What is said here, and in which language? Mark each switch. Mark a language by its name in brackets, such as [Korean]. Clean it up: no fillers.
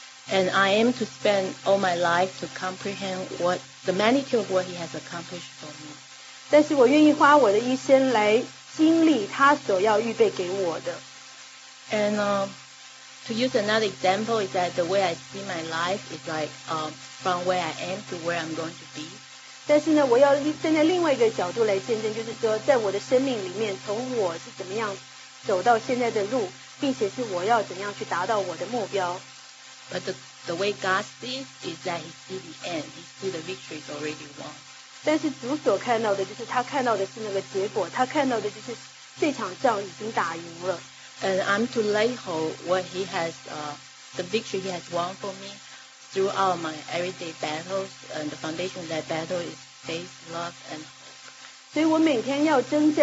[English] And I am to spend all my life to comprehend what the magnitude of what he has accomplished for me. [Chinese] 但是我愿意花我的一生来经历他所要预备给我的。 [English] And to use another example is that the way I see my life is like from where I am to where I'm going to be. [Chinese] 但是呢,我要站在另外一个角度来见证,就是说,在我的生命里面,从我是怎么样走到现在的路,并且是我要怎样去达到我的目标。 [English] But the way God sees is that he sees the end, he sees the victory is already won. [Chinese] 但是主所看到的就是他看到的是那个结果,他看到的就是这场仗已经打赢了。And [English] I'm to lay hold what he has, the victory he has won for me. Throughout my everyday battles, and the foundation of that battle is faith, love, and hope.